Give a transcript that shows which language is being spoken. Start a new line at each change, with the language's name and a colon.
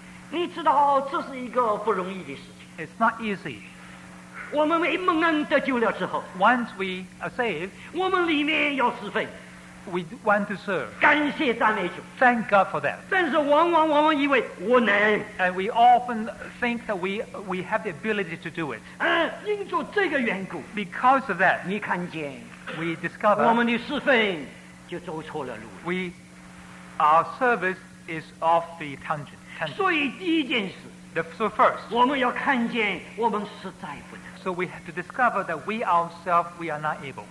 Chinese: 你知道这是一个不容易的事情,
English: it's not easy.
Chinese: 我们蒙恩得救了之后,
English: once we are saved,
Chinese: 我们里面要侍奉,
English: we want to serve.
Chinese: 感谢赞美主,
English: thank God for that.
Chinese: 但是往往我们以为我能,
English: and we often think that we have the ability to do it.
Chinese: 因着这个缘故,
English: because of that,
Chinese: 你看见,
English: we discover
Chinese: 我们的侍奉就走错了路,
English: we, our service is off the tangent.
Chinese: 所以第一件事,
English: so first,
Chinese: 我们要看见我们实在不能,
English: so we have to discover that we ourselves, we are not able.